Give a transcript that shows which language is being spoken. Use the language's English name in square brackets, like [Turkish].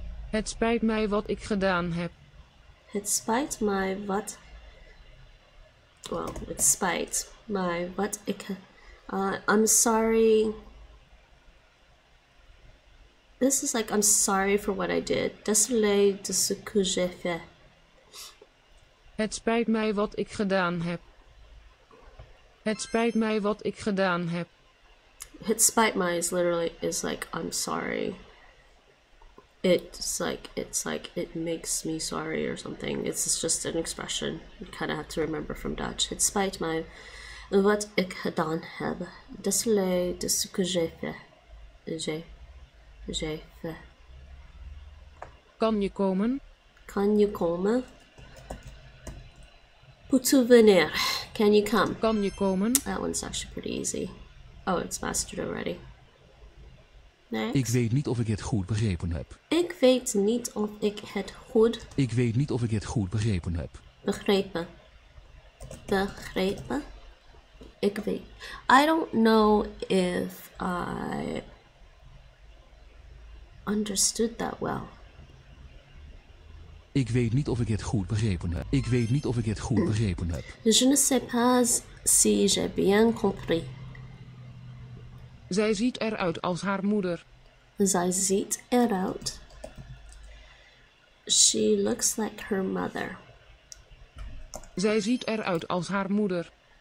[Dutch] Het spijt mij wat ik gedaan heb. Het spijt mij wat... Well, het spijt mij wat ik... [English] I'm sorry... This is like, I'm sorry for what I did. [French] Désolé de ce que j'ai fait. [Dutch] Het spijt mij wat ik gedaan heb. Het spijt mij wat ik gedaan heb. Het spijt mij [English] is literally, is like, I'm sorry. It's like, it makes me sorry or something. It's just an expression. You kind of have to remember from Dutch. [Dutch] Het spijt mij wat ik gedaan heb. [French] Désolé de ce que j'ai fait. [Dutch] Kan je komen? Kan je komen? [French] Putu venir. [English] Can you come? [Dutch] Kan je komen? [English] That one's actually pretty easy. Oh, it's mastered already. Next. [Dutch] Ik weet niet of ik het goed begrepen heb. Ik weet niet of ik het goed... Ik weet niet of ik het goed begrepen heb. Begrepen. Begrepen? Ik weet... [English] I don't know if I... understood that well. [Dutch] Ik weet niet of ik het goed begrepen heb. Ik weet niet of ik het goed begrepen heb. [French] Je ne sais pas si j'ai bien compris. [Dutch] Zij ziet eruit als haar moeder. Zij ziet eruit. [English] She looks like her mother. [Dutch] Zij ziet eruit als haar moeder.